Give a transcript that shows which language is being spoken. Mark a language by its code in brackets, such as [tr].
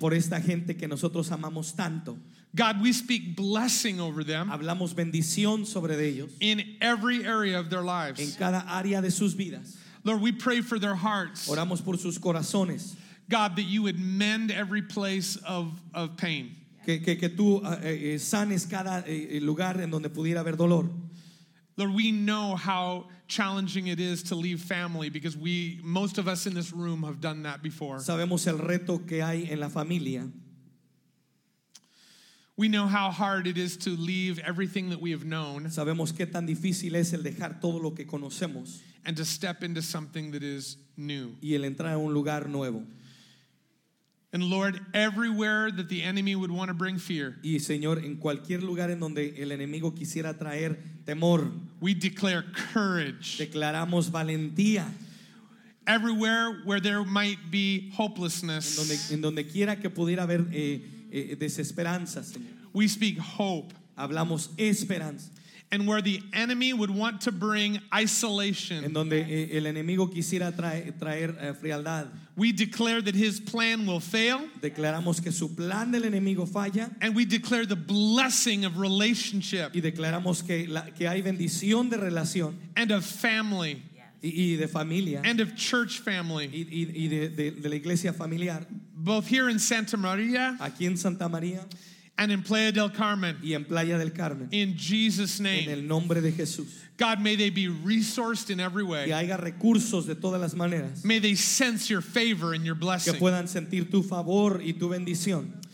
[es] Por esta gente que nosotros amamos tanto. [en] God, we speak blessing over them. [es] Hablamos bendición sobre ellos. [en] In every area of their lives. [es] En cada área de sus vidas. [en] Lord, we pray for their hearts. [es] Oramos por sus corazones. [en] God, that you would mend every place of pain. [es] Que tú sanes cada lugar en donde pudiera haber dolor. [en] Lord, we know how challenging it is to leave family because we, most of us in this room, have done that before. [es] Sabemos el reto que hay en la familia. [en] We know how hard it is to leave everything that we have known. [es] Sabemos qué tan difícil es el dejar todo lo que conocemos. [en] And to step into something that is new. [es] Y el entrar a un lugar nuevo. [en] And Lord, everywhere that the enemy would want to bring fear. [es] Y Señor, en cualquier lugar en donde el enemigo quisiera traer temor. [en] We declare courage. [es] Declaramos valentía. [en] Everywhere where there might be hopelessness. [es] En donde quiera que pudiera haber desesperanza, Señor. [en] We speak hope. [es] Hablamos esperanza. [en] And where the enemy would want to bring isolation. [es] En donde el enemigo quisiera traer frialdad. [en] We declare that his plan will fail. [es] Declaramos que su plan del enemigo falla. [en] And we declare the blessing of relationship. [es] Y declaramos que hay bendición de relación. [en] And of family. [es] Y de familia. [en] And of church family. [es] Y de la iglesia familiar. [en] Both here in Santa Maria. [es] Aquí en Santa María. [en] And in Playa del Carmen. [es] Y en Playa del Carmen. [en] In Jesus' name. [es] En el nombre de Jesús. [en] God, may they be resourced in every way. [es] Que haya recursos de todas las maneras. [en] May they sense your favor and your blessing. [es] Que puedan sentir tu favor y tu bendición.